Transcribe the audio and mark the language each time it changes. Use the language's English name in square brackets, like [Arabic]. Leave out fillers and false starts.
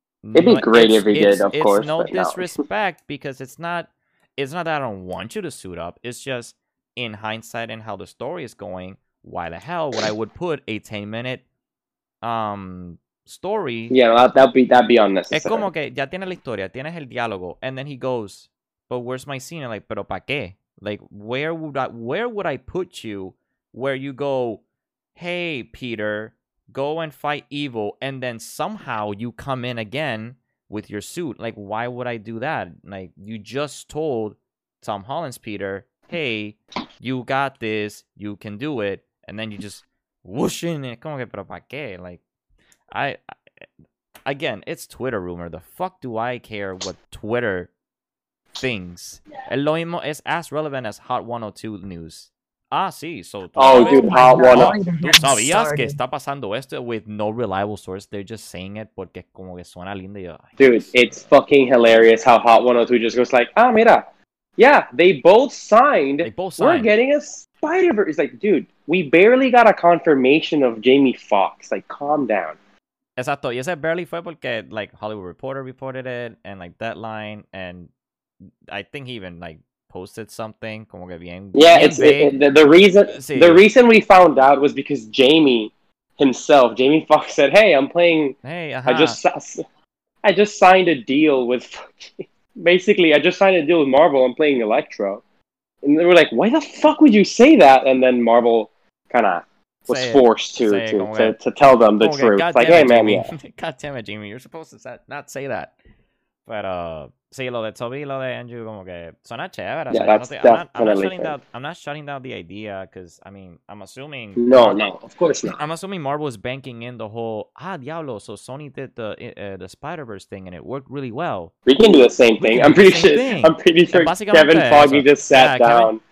[English] it'd be great if he did, of course. It's no disrespect because it's not that I don't want you to suit up. It's just in hindsight and how the story is going, why the hell would I would put a 10-minute story. Yeah, that'd be unnecessary. [Spanish] Es como que ya tienes la historia, tienes el diálogo, [English] and then he goes, but where's my scene? I'm like, [Spanish] pero pa' qué? [English] Like, where would I put you where you go, hey, Peter, go and fight evil, and then somehow you come in again with your suit. Like, why would I do that? Like, you just told Tom Holland's Peter, hey, you got this, you can do it, and then you just whoosh in it. [Spanish] Como que, pero pa' qué? [English] Like, I it's Twitter rumor. The fuck do I care what Twitter thinks? Yeah. El Loimo is as relevant as Hot 102 news. [Spanish] Ah, sí. So, [English] Hot 102. [Spanish] ¿Tú sabías que está pasando esto [English] with no reliable source? They're just saying it [Spanish] porque como que suena lindo. [English] Dude, it's fucking hilarious how Hot 102 just goes like, [Spanish] ah, mira. [English] Yeah, they both signed. They both signed. We're getting a Spider-Verse. It's like, dude, we barely got a confirmation of Jamie Foxx. Like, calm down. [Spanish] Exacto, y ese [English] barely fue porque, like, Hollywood Reporter reported it, and, like, Deadline, and I think he even, like, posted something, [Spanish] como que bien. [English] Yeah, the reason we found out was because Jamie Foxx said, hey, I'm playing, I just signed a deal with, basically, I just signed a deal with Marvel, I'm playing Electro. And they were like, why the fuck would you say that? And then Marvel kind of was forced to tell them the truth. God like, hey, it, man, yeah. God damn it, Jamie. You're supposed to not say that. [Spanish] But, sí, lo de Toby, lo de Andrew, como que suena chévere. [English] Yeah, that's definitely fair. I'm not shutting down the idea because, I mean, I'm assuming... No, of course not. I'm assuming Marvel is banking in the whole, diablo, so Sony did the Spider-Verse thing and it worked really well. We can do the same thing. I'm pretty sure Kevin Feige just sat down.